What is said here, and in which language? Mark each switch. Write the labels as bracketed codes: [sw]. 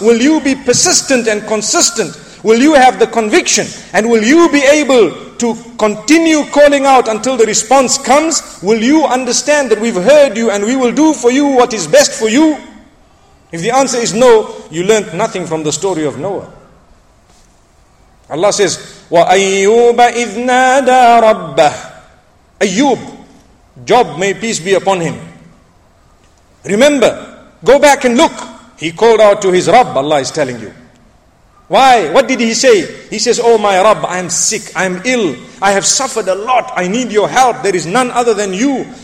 [en] Will you be persistent and consistent? Will you have the conviction? And will you be able to continue calling out until the response comes? Will you understand that we've heard you and we will do for you what is best for you? If the answer is no, you learned nothing from the story of Noah. Allah says, [ar] وَأَيُّوبَ إِذْ نَادَى رَبَّهُ. [en] Ayyub, Job, may peace be upon him. Remember, go back and look. He called out to his Rabb, Allah is telling you. Why? What did he say? He says, "Oh my Rabb, I am sick, I am ill, I have suffered a lot, I need your help, there is none other than you.